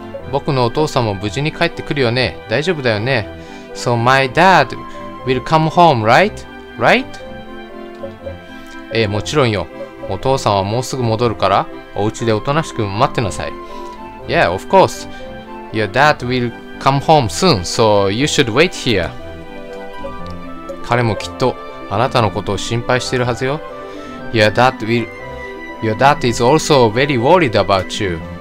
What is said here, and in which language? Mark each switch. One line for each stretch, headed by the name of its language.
Japanese: 僕のお父さんも無事に帰ってくるよね。大丈夫だよね。
English: So my dad will come home, right? Right?
Japanese: ええ、もちろんよ。お父さんはもうすぐ戻るから、お家でおとなしく待ってなさい。
English: Yeah, of course. Your dad will come home soon, so you should wait here.
Japanese: 彼もきっとあなたのことを心配しているはずよ。
English: Your dad is also very worried about you.